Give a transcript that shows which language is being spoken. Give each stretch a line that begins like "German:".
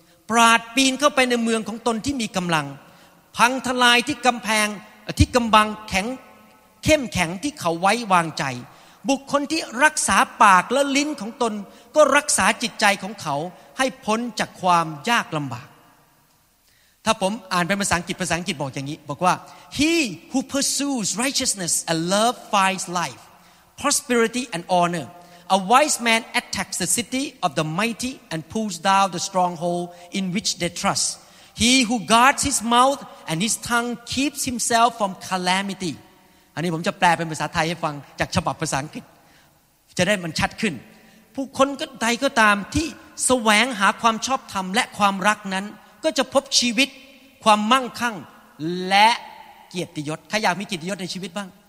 Thai: ปราดปีนเข้าไปในเมืองของตนที่มีกำลังพังทลายที่กำแพงที่กำบังแข็งเข้มแข็งที่เขาไว้วางใจบุคคลที่รักษาปากและลิ้นของตนก็รักษาจิตใจของเขาให้พ้นจากความยากลำบากถ้าผมอ่านเป็นภาษาอังกฤษภาษาอังกฤษบอกอย่างนี้บอกว่า
English: He who pursues righteousness and love finds life, prosperity and honor. A wise man attacks the city of the mighty and pulls down the stronghold in which they trust. He who guards his mouth and his tongue keeps himself from calamity
Thai: อันนี้ผมจะแปลเป็นภาษาไทยให้ฟังจากฉบับภาษาอังกฤษจะได้มันชัดขึ้นผู้คนก็ใดก็ตามที่แสวงหาความชอบธรรมและความรักนั้นก็จะพบชีวิตความมั่งคั่งและเกียรติยศใครอยากมีเกียรติยศในชีวิตบ้าง